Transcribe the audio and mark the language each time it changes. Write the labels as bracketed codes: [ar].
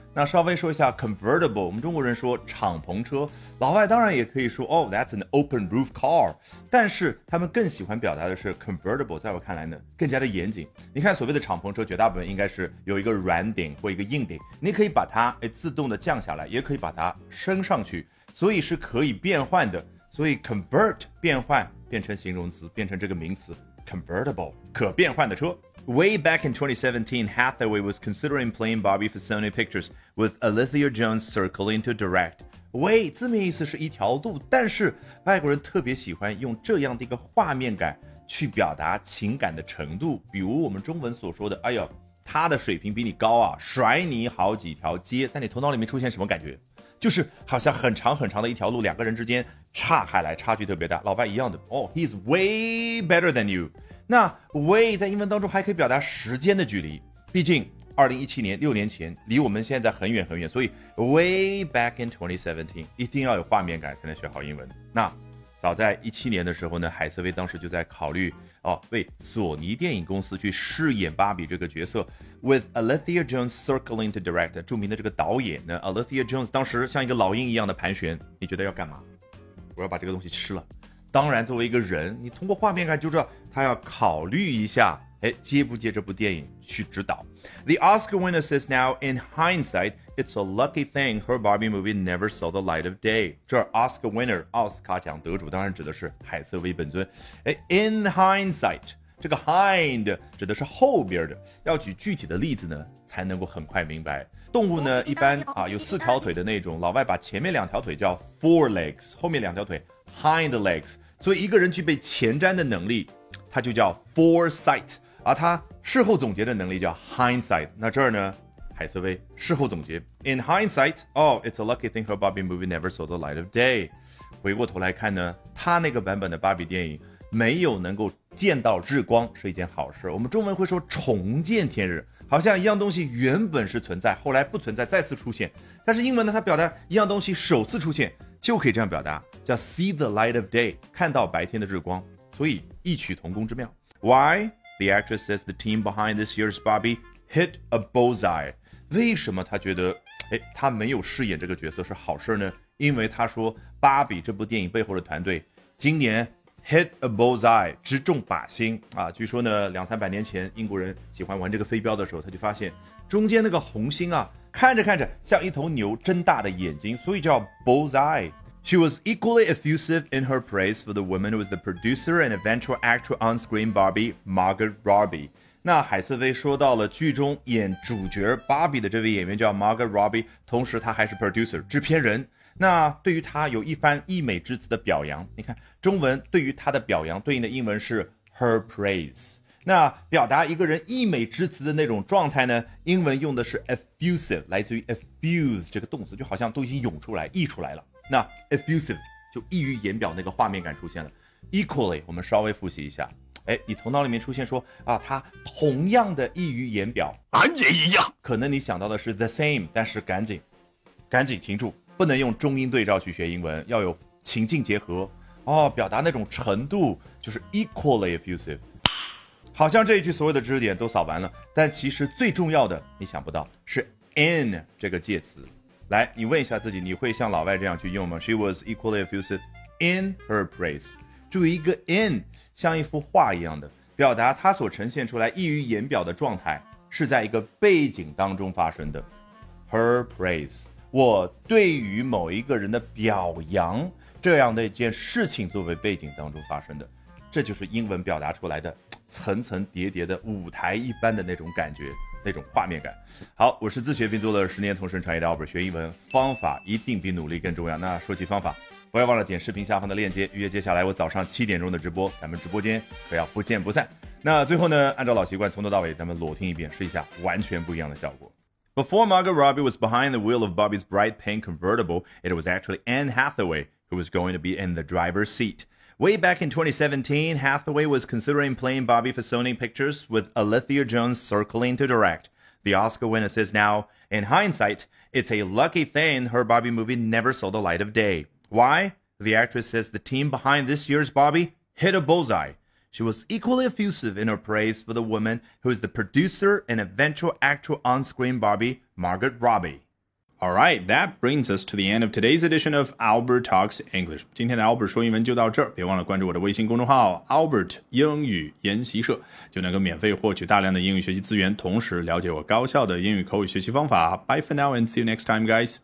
[zh] 那稍微说一下 convertible， 我们中国人说敞篷车，老外当然也可以说 [en] oh that's an open roof car， [zh] 但是他们更喜欢表达的是 convertible， 在我看来呢更加的严谨。你看所谓的敞篷车绝大部分应该是有一个软顶或一个硬顶，你可以把它自动的降下来，也可以把它升上去，所以是可以变换的，所以 convert 变换变成形容词，变成这个名词 convertible 可变换的车。 [en] Way back in 2017, Hathaway was considering playing Barbie for Sony Pictures with Olivia Jones circling to direct. [zh] Way 字面意思是一条路，但是外国人特别喜欢用这样的一个画面感去表达情感的程度，比如我们中文所说的哎呦他的水平比你高啊，甩你好几条街，在你头脑里面出现什么感觉，就是好像很长很长的一条路，两个人之间岔开来，差距特别大，老外一样的 [en] Oh, he's way better than you。 [zh] 那 way 在英文当中还可以表达时间的距离，毕竟2017年六年前离我们现在很远很远，所以 [en] way back in 2017 [zh] 一定要有画面感才能学好英文。那早在2017年的时候呢，海瑟薇当时就在考虑哦，为索尼电影公司去饰演芭比这个角色 ， [en] with Olivia Jones circling to direct， [zh] 著名的这个导演呢 ，Olivia Jones 当时像一个老鹰一样的盘旋，你觉得要干嘛？我要把这个东西吃了。当然作为一个人，你通过画面感就知道他要考虑一下接不接这部电影去指导。 [en] The Oscar winner says now in hindsight it's a lucky thing her Barbie movie never saw the light of day。 [zh] 这 Oscar winner 奥斯卡奖得主当然指的是海瑟薇本尊。 In hindsight 这个 hind 指的是后边的，要举具体的例子呢才能够很快明白。动物呢一般啊有四条腿的那种，老外把前面两条腿叫 four legs， 后面两条腿hind legs， 所以一个人具备前瞻的能力他就叫 foresight， 而他事后总结的能力叫 hindsight。那这儿呢海瑟薇事后总结 [en] in hindsight oh it's a lucky thing her Barbie movie never saw the light of day， [zh] 回过头来看呢他那个版本的芭比电影没有能够见到日光是一件好事。我们中文会说重见天日，好像一样东西原本是存在后来不存在再次出现，但是英文呢他表达一样东西首次出现就可以这样表达，叫 [en] see the light of day， [zh] 看到白天的日光，所以异曲同工之妙。 [en] Why? The actress says the team behind this year's Barbie hit a bullseye。 [zh] 为什么她觉得她没有饰演这个角色是好事呢？因为她说芭比这部电影背后的团队今年 [en] hit a bullseye， [zh] 直中靶心啊！据说呢两三百年前英国人喜欢玩这个飞镖的时候，他就发现中间那个红星啊看着看着像一头牛睁大的眼睛，所以叫 bullseye。 [en] She was equally effusive in her praise for the woman who was the producer and eventual actual on-screen Barbie, Margot Robbie。 [zh] 那海瑟薇说到了剧中演主角 Barbie 的这位演员叫 Margot Robbie， 同时她还是 producer 制片人，那对于她有一番溢美之词的表扬。你看中文对于她的表扬对应的英文是 her praise，那表达一个人溢美之词的那种状态呢，英文用的是 effusive， 来自于 effuse 这个动词，就好像都已经涌出来溢出来了，那 effusive 就溢于言表，那个画面感出现了。 equally 我们稍微复习一下，哎，你头脑里面出现说啊，他同样的溢于言表，俺也一样，可能你想到的是 the same， 但是赶紧停住，不能用中英对照去学英文，要有情境结合哦，表达那种程度就是 equally effusive。好像这一句所有的知识点都扫完了，但其实最重要的你想不到是 in 这个介词。来你问一下自己，你会像老外这样去用吗？ [en] She was equally effusive in her praise。 [zh] 注意一个 in 像一幅画一样的表达，它所呈现出来溢于言表的状态是在一个背景当中发生的。 Her praise 我对于某一个人的表扬这样的一件事情作为背景当中发生的，这就是英文表达出来的层层叠叠的舞台一般的那种感觉，那种画面感。好，我是自学并做了十年同声传译的 Albert， 学英文方法一定比努力更重要。那说起方法，不要忘了点视频下方的链接预约接下来我早上7点钟的直播，咱们直播间可要不见不散。那最后呢，按照老习惯从头到尾咱们裸听一遍，试一下完全不一样的效果。 [en] Before Margot Robbie was behind the wheel of Barbie's bright pink convertible, it was actually Anne Hathaway who was going to be in the driver's seat. Way back in 2017, Hathaway was considering playing Barbie for Sony Pictures with Olivia Jones circling to direct. The Oscar winner says now, in hindsight, it's a lucky thing her Barbie movie never saw the light of day. Why? The actress says the team behind this year's Barbie hit a bullseye. She was equally effusive in her praise for the woman who is the producer and eventual actual on-screen Barbie, Margot Robbie. All right, that brings us to the end of today's edition of Albert Talks English. [zh] 今天的 Albert 说英文就到这儿，别忘了关注我的微信公众号 Albert 英语研习社，就能够免费获取大量的英语学习资源，同时了解我高效的英语口语学习方法。 [en] Bye for now and see you next time, guys.